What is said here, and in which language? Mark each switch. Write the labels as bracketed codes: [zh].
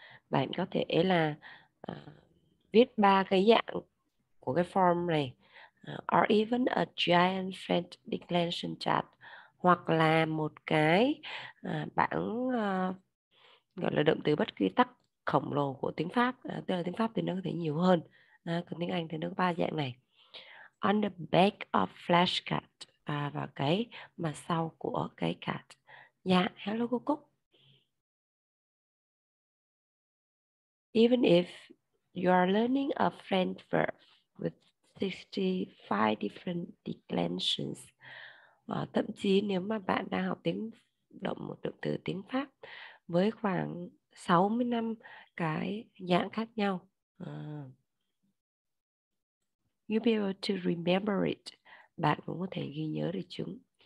[vi] Bạn có thể là viết ba cái dạng của cái form này, [en] or even a giant French declension chart, [vi] hoặc là một cái bảng gọi là động từ bất quy tắc khổng lồ của tiếng Pháp, tức là tiếng Pháp thì nó có thể nhiều hơn, còn tiếng Anh thì nó có ba dạng này. [en] On the back of flashcard, [vi] và cái mà sau của cái card. [en] Yeah, hello cô Cúc. Even if you are learning a French verb with 65 different declensions. [vi] Thậm chí nếu mà bạn đang học tiếng động một động từ tiếng Pháp với khoảng 65 cái dạng khác nhau. [en] You'll be able to remember it. [vi] Bạn cũng có thể ghi nhớ được chúng.